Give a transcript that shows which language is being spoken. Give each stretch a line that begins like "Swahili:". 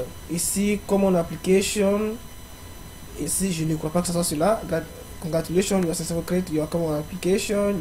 English: Ici, common application.
French: Ici, je ne crois pas que ce soit cela.
English: Congratulations, you are successful create your common application.